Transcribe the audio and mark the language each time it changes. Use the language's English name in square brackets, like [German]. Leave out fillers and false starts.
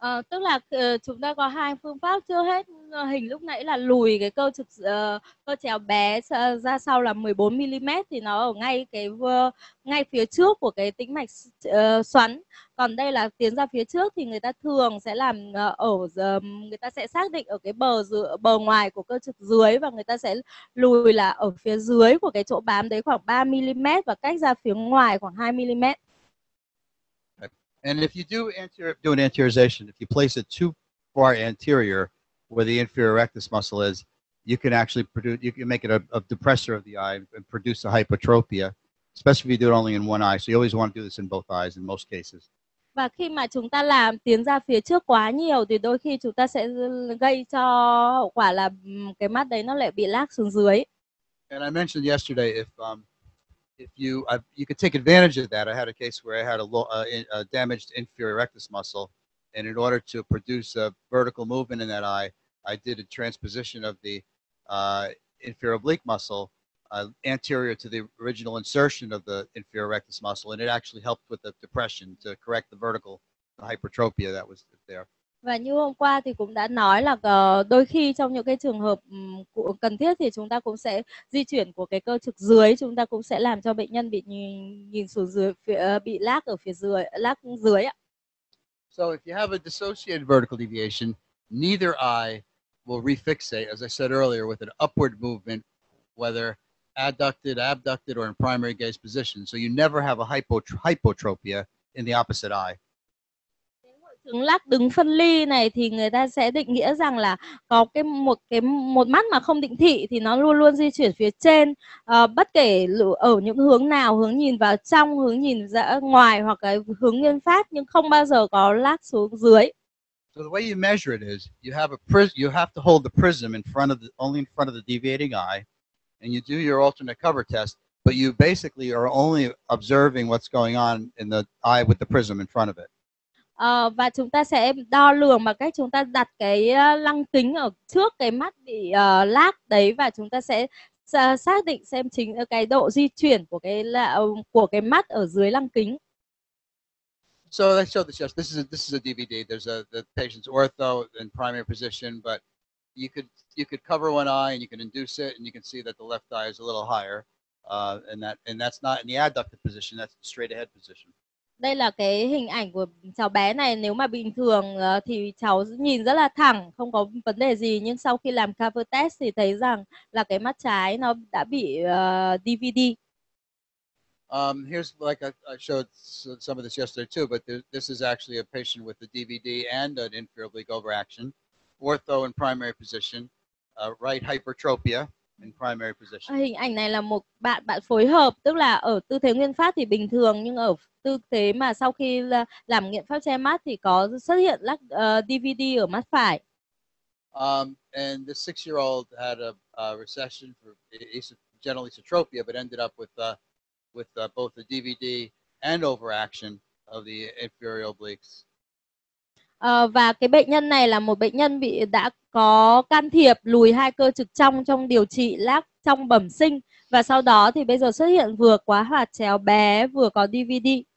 [Vietnamese] Tức là chúng ta có hai phương pháp. Chưa hết, hình lúc nãy là lùi cái cơ trực cơ chéo bé ra sau là 14 mm thì nó ở ngay phía trước của cái tĩnh mạch xoắn. Còn đây là tiến ra phía trước thì người ta thường sẽ làm người ta sẽ xác định ở cái bờ ngoài của cơ trực dưới, và người ta sẽ lùi là ở phía dưới của cái chỗ bám đấy khoảng 3 mm và cách ra phía ngoài khoảng 2 mm. [English] And if you do an anteriorization, if you place it too far anterior where the inferior rectus muscle is, you can actually produce, you can make it a depressor of the eye and produce a hypertropia, especially if you do it only in one eye. So you always want to do this in both eyes in most cases. [Vietnamese] Và khi mà chúng ta làm tiến ra phía trước quá nhiều thì đôi khi chúng ta sẽ gây cho hậu quả là cái mắt đấy nó lại bị lác xuống dưới. [English] And I mentioned yesterday if you could take advantage of that. I had a case where I had a damaged inferior rectus muscle, and in order to produce a vertical movement in that eye, I did a transposition of the inferior oblique muscle anterior to the original insertion of the inferior rectus muscle, and it actually helped with the depression to correct the vertical hypertropia that was there. [Vietnamese] Và như hôm qua thì cũng đã nói là đôi khi trong những cái trường hợp cần thiết thì chúng ta cũng sẽ di chuyển của cái cơ trực dưới, chúng ta cũng sẽ làm cho bệnh nhân bị nhìn xuống dưới, bị lác ở phía dưới, lác dưới ạ. [English] So if you have a dissociated vertical deviation, neither eye will refixate, as I said earlier, with an upward movement, whether adducted, abducted, or in primary gaze position. So you never have a hypotropia in the opposite eye. [Vietnamese] Chứng lác đứng phân ly này thì người ta sẽ định nghĩa rằng là có một mắt mà không định thị thì nó luôn luôn di chuyển phía trên bất kể ở những hướng nào, hướng nhìn vào trong, hướng nhìn ra ngoài hoặc cái hướng nguyên phát, nhưng không bao giờ có lác xuống dưới. [English] So the way you measure it is you have a prism, you have to hold the prism in front of the deviating eye, and you do your alternate cover test, but you basically are only observing what's going on in the eye with the prism in front of it. [Vietnamese] Và chúng ta sẽ đo lường bằng cách chúng ta đặt cái lăng kính ở trước cái mắt bị lác đấy, và chúng ta sẽ xác định xem chính cái độ di chuyển của cái mắt ở dưới lăng kính. [English] So I showed this just. This is a DVD. There's the patient's ortho in primary position, but you could cover one eye and you can induce it, and you can see that the left eye is a little higher, and that's not in the adductor position. That's the straight ahead position. [Vietnamese] Đây là cái hình ảnh của cháu bé này. Nếu mà bình thường thì cháu nhìn rất là thẳng, không có vấn đề gì. Nhưng sau khi làm cover test thì thấy rằng là cái mắt trái nó đã bị DVD. [English] Here's like I showed some of this yesterday too, but this is actually a patient with a DVD and an inferior oblique overaction. Ortho in primary position, right hypertropia. In primary position. [Vietnamese] Hình ảnh này là một bạn phối hợp, tức là ở tư thế nguyên phát thì bình thường, nhưng ở tư thế mà sau khi làm nghiệm pháp che mắt thì có xuất hiện lắc DVD ở mắt phải. [English] And the six-year-old had a recession for general esotropia, but ended up with both a DVD and overaction of the inferior obliques. [Vietnamese] Và cái bệnh nhân này là một bệnh nhân bị đã có can thiệp lùi hai cơ trực trong trong điều trị lác trong bẩm sinh và sau đó thì bây giờ xuất hiện vừa quá hoạt chéo bé vừa có DVD.